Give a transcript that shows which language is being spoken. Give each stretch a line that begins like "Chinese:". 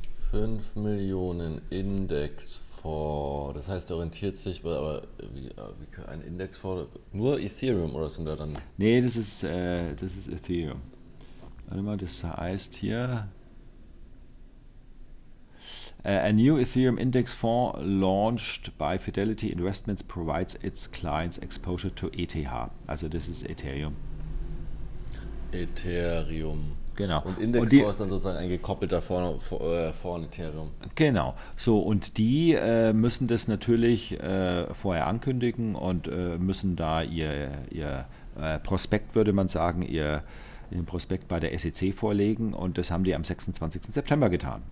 German: 5 Millionen Index-Fonds, das heißt, der orientiert sich, aber wie ein Index-Fonds, nur Ethereum oder sind da dann? Nee, das ist Ethereum. Warte mal, das heißt hier.
English: A new Ethereum Index Fund launched by Fidelity Investments provides its clients exposure to ETH.
German: Also das ist Ethereum. Ethereum. Genau. Und Index Fund ist dann sozusagen ein gekoppelter Fonds Ethereum. Genau. So, und die müssen das natürlich vorher ankündigen und müssen da ihr Prospekt, würde man sagen, den Prospekt bei der SEC vorlegen und das haben die am 26. September getan.